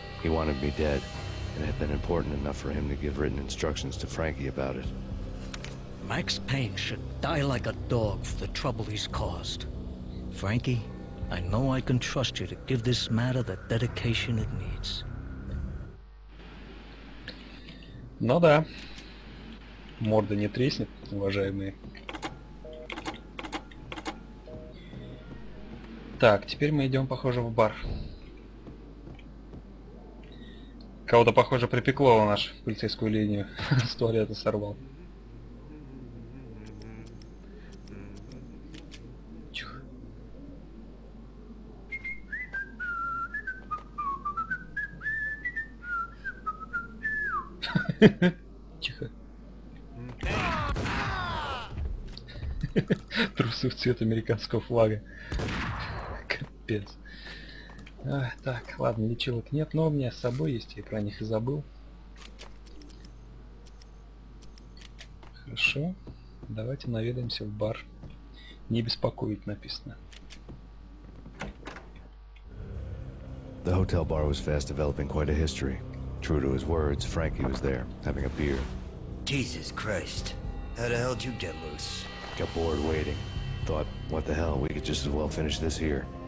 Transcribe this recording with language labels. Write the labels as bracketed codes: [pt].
[en] He wanted me dead, and it had been important enough for him to give written instructions to Frankie about it. Max Payne should die like a dog for the trouble he's caused. Frankie, I know I can trust you to give this matter the dedication it needs. [ru] Ну да. Морда не треснет, уважаемые. Так, теперь мы идем, похоже, в бар. Кого-то, похоже, припекло в нашу полицейскую линию. С туалета сорвал. Тихо. Трусы в цвет американского флага. Капец. Так, ладно, лечилок нет, но у меня с собой есть, я про них и забыл. Хорошо. Давайте наведаемся в бар. Не беспокоить написано. [en] The hotel bar was fast developing quite a history. True to his words, Frankie was there, having a beer. Jesus Christ. How the hell did you get loose? Got bored waiting. Thought, what the hell, we could just as well finish this here.